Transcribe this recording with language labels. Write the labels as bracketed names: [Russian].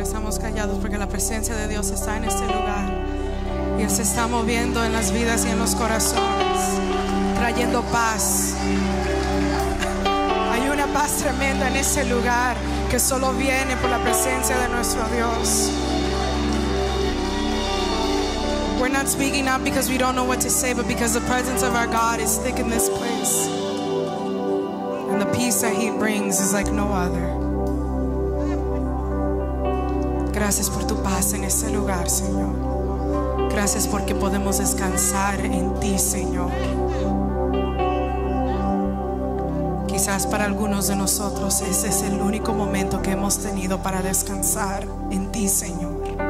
[Spanish] Estamos callados porque la presencia de Dios está en este lugar y se está moviendo en las vidas y en los corazones, trayendo paz. Hay una paz tremenda en ese lugar que solo viene por la presencia de nuestro Dios. [English] We're not speaking not because we don't know what to say, but because the presence of our God is thick in this place. And the peace that He brings is like no other. [Spanish] Gracias por tu paz en este lugar, Señor. Gracias porque podemos descansar en ti, Señor. Quizás para algunos de nosotros ese es el único momento que hemos tenido para descansar en ti, Señor.